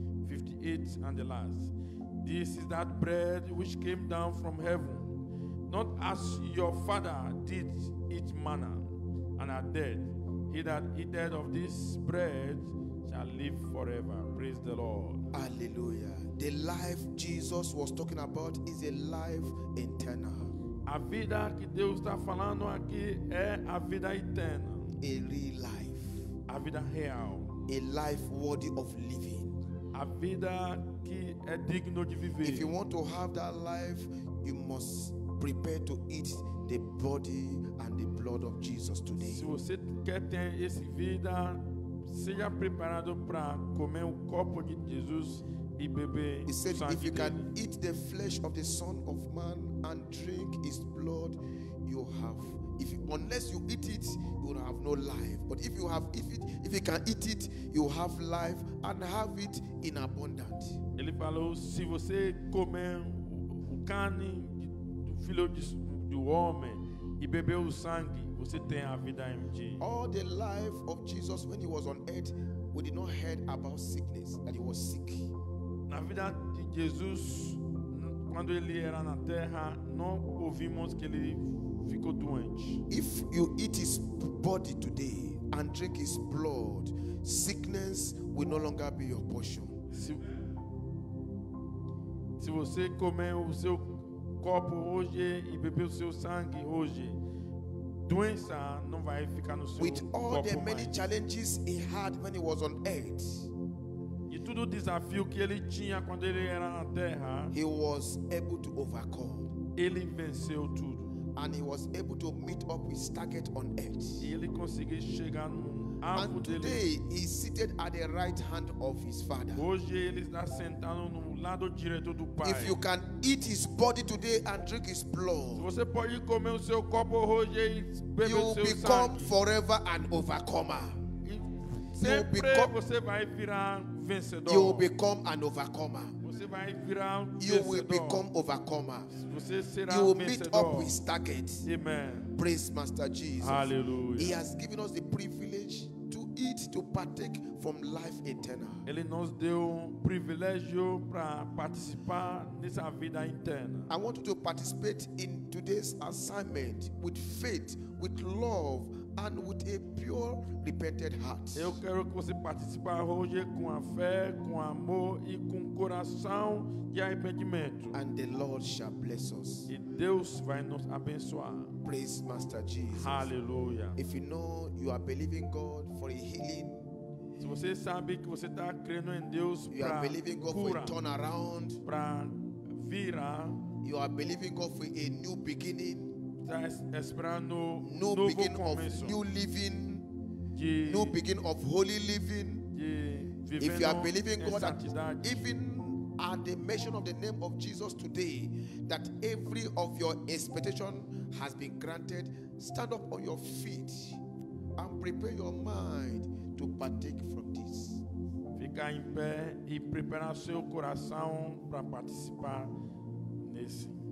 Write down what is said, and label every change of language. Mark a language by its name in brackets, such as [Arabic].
[English] 58 and the last. This is that bread which came down from heaven, not as your father did eat manna, and are dead. He that eateth of this bread shall live forever. Praise the Lord. Hallelujah. The life Jesus was talking about is a life eternal. [Portuguese] A vida que Deus está falando aqui é a vida eterna. [English] A real life. [Portuguese] A vida real. [English] A life worthy of living. [Portuguese] A vida que é digno de viver. [English] If you want to have that life, you must prepare to eat the body and the blood of Jesus today. [Portuguese] Se você quer ter essa vida, seja preparado para comer o corpo de Jesus e beber o sangue dele. [English] He said, if you can eat the flesh of the Son of Man and drink his blood, you have. If unless you eat it, you will have no life. But if you have if you can eat it, you have life and have it in abundance. [Portuguese] Ele falou, se você comer o carne do filho do homem e beber o sangue, você tem a vida em ti. [English] All the life of Jesus when he was on earth we did not hear about sickness, that he was sick. [Portuguese] Na vida de Jesus, quando ele era na terra, não ouvimos que ele ficou doente. [English] If you eat his body today and drink his blood, sickness will no longer be your portion. [Portuguese] Se você comer o seu copo hoje e beber o seu sangue hoje, doença não vai ficar no seu corpo. [English] With all the many challenges he had when he was on earth, [Portuguese] e tudo o desafio que ele tinha quando ele era na terra, [English] he was able to overcome. [Portuguese] Ele venceu tudo. [English] And he was able to meet up with his target on earth. [Portuguese] E ele conseguiu chegar no alvo dele. [English] And today he is seated at the right hand of his father. [Portuguese] Hoje ele está sentado no lado direito do pai. [English] If you can eat his body today and drink his blood, [Portuguese] você pode comer o seu corpo hoje e beber seu sangue, [English] you will become forever an overcomer. [Portuguese] Sempre você vai virar vencedor. [English] You will become an overcomer. [Portuguese] Você vai virar [English] you [Portuguese] vencedor. [English] Will become overcomer. [Portuguese] Você será [English] you will [Portuguese] vencedor. [English] Meet up with target. Amen. Praise Master Jesus. Hallelujah. He has given us the privilege to eat, to partake from life eternal. [Portuguese] Ele nos deu privilégio para participar nessa vida eterna. [English] I want you to participate in today's assignment with faith, with love, and with a pure, repented heart. [Portuguese] Eu quero que você participe hoje com a fé, com amor e com coração de arrependimento. [English] And the Lord shall bless us. [Portuguese] E Deus vai nos abençoar. [English] Praise Master Jesus. Hallelujah. If you know you are believing God for a healing, [Portuguese] se você sabe que você está crendo em Deus para cura, [English] you are believing God for a turnaround, [Portuguese] para vira, [English] you are believing God for a new beginning. [Portuguese] Esperando [English] new [Portuguese] novo [English] beginning [Portuguese] começo. [English] Of new living, [Portuguese] de, [English] new beginning of holy living. If you are believing God, [Portuguese] santidade. [English] That even at the mention of the name of Jesus today, that every of your expectation has been granted, stand up on your feet and prepare your mind to partake from this. [Portuguese] Fica em pé e prepara seu coração para participar nesse.